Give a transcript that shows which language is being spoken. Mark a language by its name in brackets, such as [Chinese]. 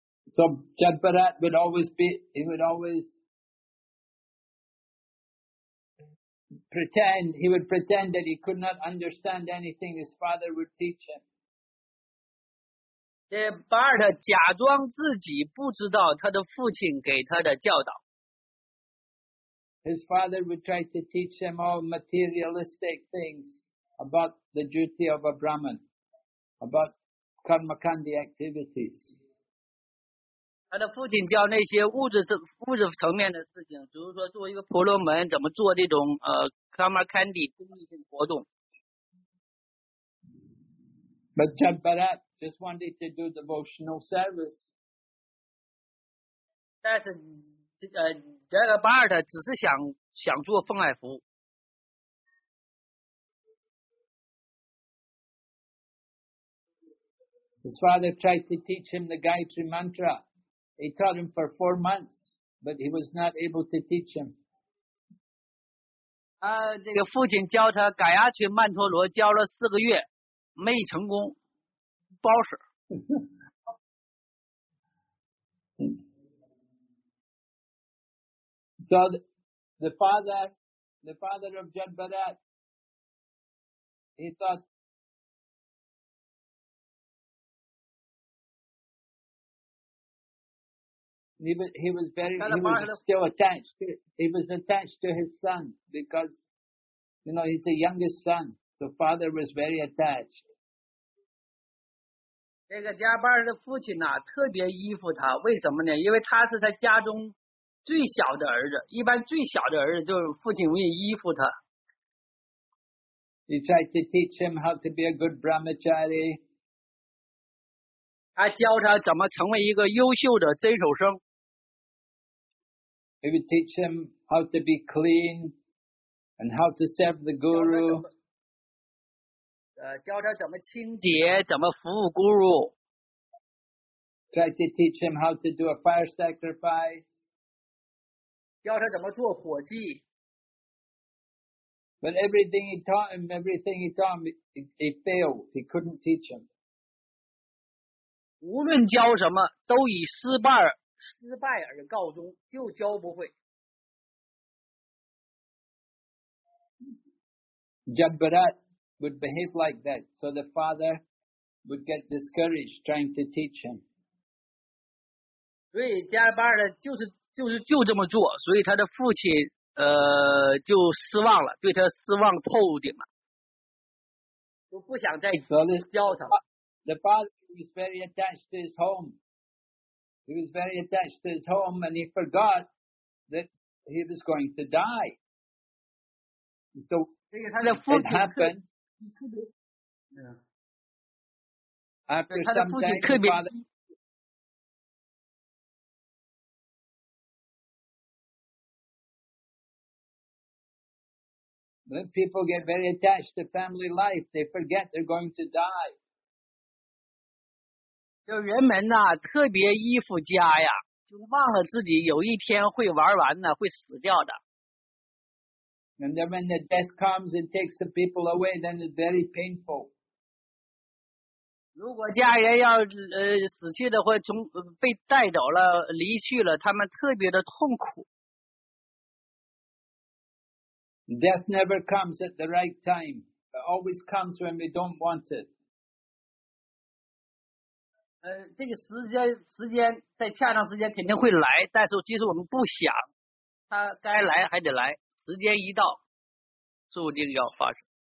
[English] So Jadbarat would always be, he would always pretend, he would pretend that he could not understand anything his father would teach him. [Chinese] Bart 假装自己不知道他的父亲给他的教导。 [English] His father would try to teach him all materialistic things about the duty of a Brahmin, about karmakandi activities. [Chinese] 他的父亲教那些物质层面的事情，比如说作为一个婆罗门怎么做这种karmakandi 公益性活动。 [English] But Jadbarat just wanted to do devotional service. [Chinese] 但是Jadbarat 只是想做奉爱服务。 [English] His father tried to teach him the Gayatri Mantra. He taught him for 4 months, but he was not able to teach him. [Chinese] 这个父亲教他盖亚曲曼陀罗教了四个月，没成功，不好使。 [English] So the father of Jadbarat, he thought,He was attached to his son because, you know, he's the youngest son, so father was very attached. [Chinese] 这个加班的父亲呢、啊、特别依附他，为什么呢？因为他是他家中最小的儿子，一般最小的儿子就是父亲容易依附他。 [English] He tried to teach him how to be a good brahmachari. [Chinese] 他教他怎么成为一个优秀的遵守生。 [English] He would teach him how to be clean and how to serve the guru. [Chinese] 教他怎么清洁，怎么服务 guru. [English] Try to teach him how to do a fire sacrifice. [Chinese] 教他怎么做火祭。 [English] But everything he taught him, he failed. He couldn't teach him. [Chinese] 无论教什么，都以失败而告终，就教不会。 [English] Jadbarat would behave like that, so the father would get discouraged trying to teach him. [Chinese] 所以Jadbarat就是就这么做，所以他的父亲就失望了，对他失望透顶了，就不想再教他。 [English] The father was very attached to his home. He was very attached to his home and he forgot that he was going to die. So it happened. After some time, the father, when people get very attached to family life, they forget they're going to die. [Chinese] 就人们呢、啊、特别依附家呀，就忘了自己有一天会玩完呢，会死掉的。 [English] And then when the death comes and takes the people away, then it's very painful. [Chinese] 如果家人要死去的或从被带走了离去了，他们特别的痛苦。 [English] Death never comes at the right time. It always comes when we don't want it. [Chinese] 这个时间在恰当时间肯定会来，但是即使我们不想，它该来还得来，时间一到，注定要发生。